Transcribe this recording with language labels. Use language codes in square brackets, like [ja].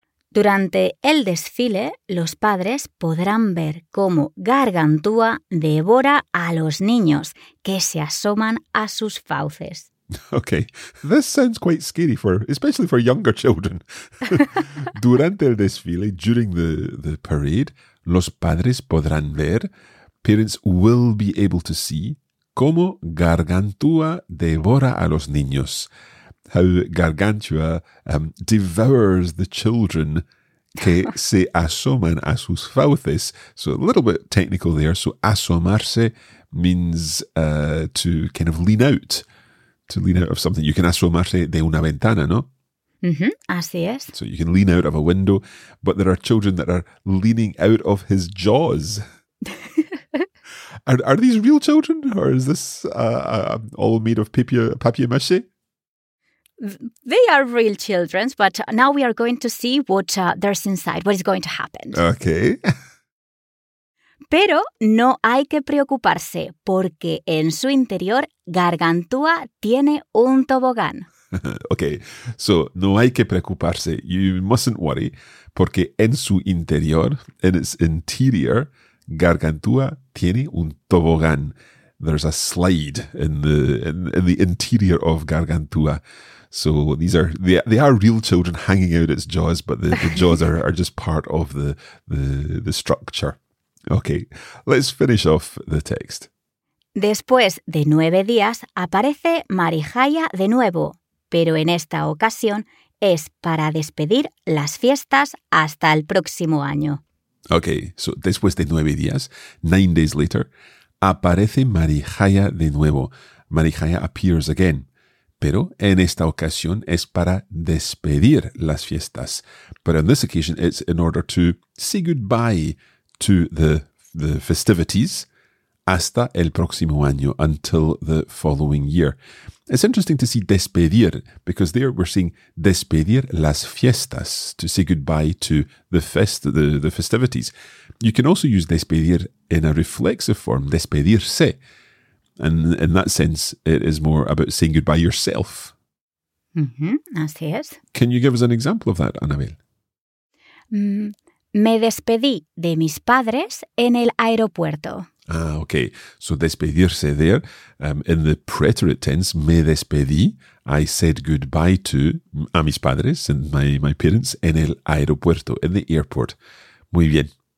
[es] Durante el desfile, los padres podrán ver cómo Gargantúa devora a los niños que se asoman a sus fauces. [en] Okay, this sounds quite scary, especially for younger children. [es] Durante el desfile, [en] during the parade, [es] los padres podrán ver, [en] parents will be able to see, [es] cómo Gargantúa devora a los niños. [en] How Gargantúa devours the children [es] que se asoman a sus fauces. [en] So a little bit technical there. So asomarse means to kind of lean out. To lean out of something. You can [es] asomarse de una ventana, ¿no? Mm-hmm. Así es. [en] So you can lean out of a window. But there are children that are leaning out of his jaws. Are these real children? Or is this all made of papier-mâché? They are real children, but now we are going to see what there's inside, what is going to happen. Okay. [es] Pero no hay que preocuparse, porque en su interior Gargantúa tiene un tobogán. [en] Okay, so [es] no hay que preocuparse, [en] you mustn't worry, [es] porque en su interior, [en] in its interior, [es] Gargantúa tiene un tobogán. [en] There's a slide in the interior of Gargantúa. So these are they are real children hanging out its jaws, but the jaws are just part of the structure. Okay, let's finish off the text. [es] Después de 9 días aparece Marijaya de nuevo, pero en esta ocasión es para despedir las fiestas hasta el próximo año. [en] Okay, so [es] después de 9 días, [en] 9 days later, [es] aparece Marijaya de nuevo. [en] Marijaya appears again. [es] Pero en esta ocasión es para despedir las fiestas. [en] But on this occasion, it's in order to say goodbye to the festivities [es] hasta el próximo año, [en] until the following year. It's interesting to see despedir, because there we're seeing [es] despedir las fiestas, [en] to say goodbye to the festivities. You can also use despedir in a reflexive form, despedirse. And in that sense, it is more about saying goodbye yourself. [es] Mm-hmm, así es. [en] Can you give us an example of that, Anabel? [es] Me despedí de mis padres en el aeropuerto. [en] Ah, okay. So despedirse there, in the preterite tense, [es] me despedí, [en] I said goodbye to [es] a mis padres [en] and my parents [es] en el aeropuerto, [en] in the airport. [es] Muy bien.